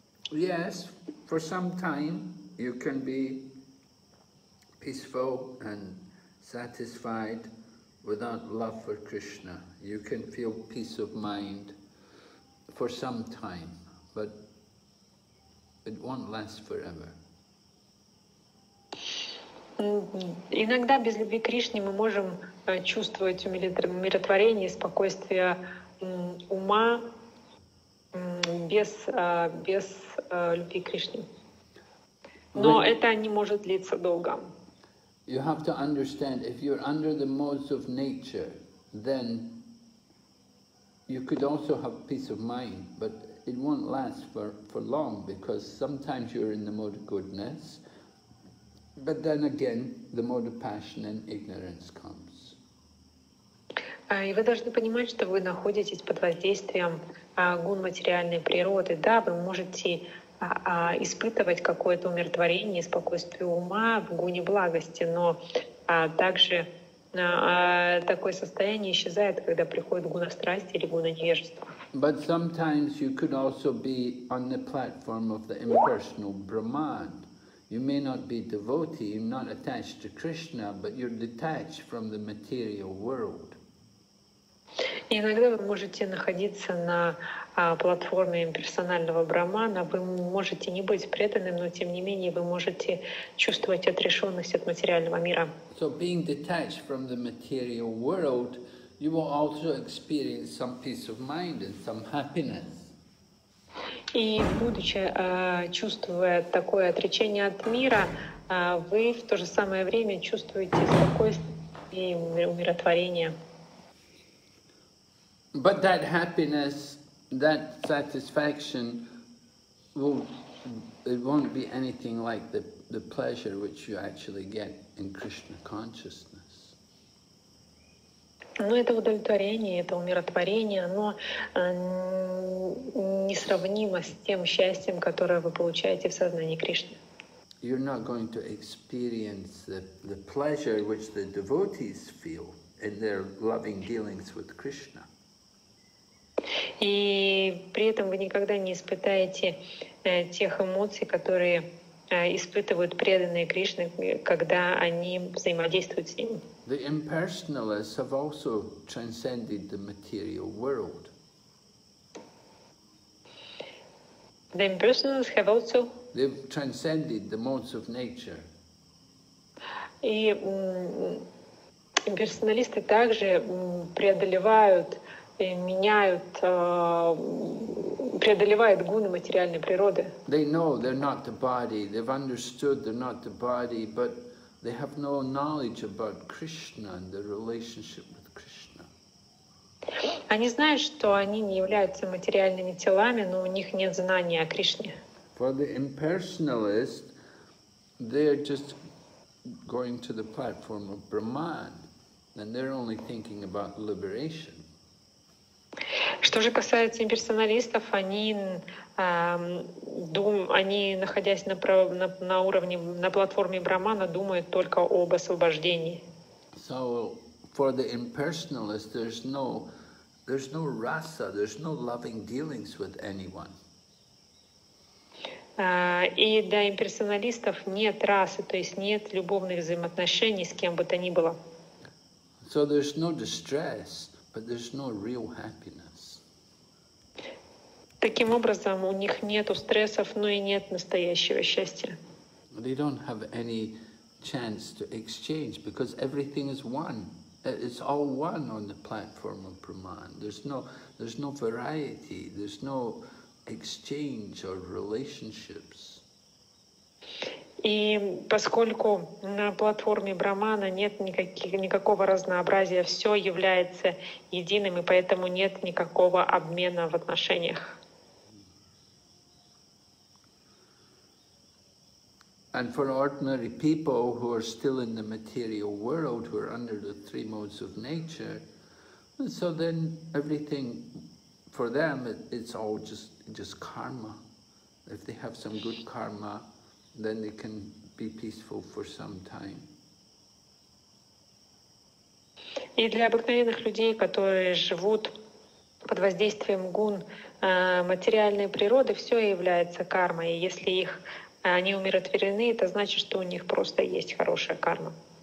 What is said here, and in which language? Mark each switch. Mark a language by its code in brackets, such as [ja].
[en] Yes, for some time you can be peaceful and satisfied without love for Krishna. You can feel peace of mind for some time, but it won't last forever. [ru] Иногда без любви к Кришне мы можем чувствовать умиротворение, спокойствие ума без любви к Кришне. Но это не может длиться долго. [en] You have to understand, if you're under the modes of nature, then you could also have peace of mind, but it won't last for long, because sometimes you're in the mode of goodness, but then again, the mode of passion and ignorance comes. [ru] И вы должны понимать, что вы находитесь под воздействием гун материальной природы. Да, вы можете испытывать какое-то умиротворение, спокойствие ума в гуне благости, но также такое состояние исчезает, когда приходит гуна страсти или гуна невежества. [en] But sometimes you could also be on the platform of the impersonal Brahman. You may not be devotee, you're not attached to Krishna, but you're detached from the material world. [ru] Иногда вы можете находиться на платформе имперсонального Брахмана, вы можете не быть преданным, но тем не менее вы можете чувствовать отрешенность от материального мира. [en] So being detached from the material world, you will also experience some peace of mind and some happiness. [ru] И будучи чувствуя такое отречение от мира, вы в то же самое время чувствуете спокойствие и умиротворение. [en] But that happiness, that satisfaction, will it won't be anything like the pleasure which you actually get in Krishna consciousness. [ru] Но это удовлетворение, это умиротворение, оно несравнимо с тем счастьем, которое вы получаете в сознании Кришны. [en] You're not going to experience the pleasure which the devotees feel in their loving dealings with Krishna. [ru] И при этом вы никогда не испытаете тех эмоций, которые испытывают преданные Кришны, когда они взаимодействуют с ним. [en] The impersonalists have also transcended the material world. The impersonalists have also... They've transcended the modes of nature. [ru] И имперсоналисты также преодолевают преодолевает гуны материальной природы. [en] They know they're not the body. They've understood they're not the body, but they have no knowledge about Krishna and the relationship with Krishna. [ru] Они знают, что они не являются материальными телами, но у них нет знания о Кришне. [en] For the impersonalist, they're just going to the platform of Brahman. And they're only thinking about liberation. [ru] Что же касается имперсоналистов, они, находясь на уровне, на платформе Брахмана, думают только об освобождении. [en] So for the impersonalist, there's no rasa, there's no loving dealings with anyone. [ru] И для имперсоналистов нет расы, то есть нет любовных взаимоотношений с кем бы то ни было. [en] So there's no distress, but there's no real happiness. [ru] Таким образом, у них нет стрессов, но и нет настоящего счастья. [en] They don't have any chance to exchange because everything is one. It's all one on the platform of Brahman. There's no variety. There's no exchange or relationships. [ru] И поскольку на платформе Брахмана нет никакого разнообразия, все является единым, и поэтому нет никакого обмена в отношениях. [en] And for ordinary people who are still in the material world, who are under the three modes of nature, so then everything for them, it's all just karma. If they have some good karma, then they can be peaceful for some time. [ru] И для обыкновенных людей, которые живут под воздействием гун материальной природы, все является кармой. И если их они умиротворены, это значит, что у них просто есть хорошая карма.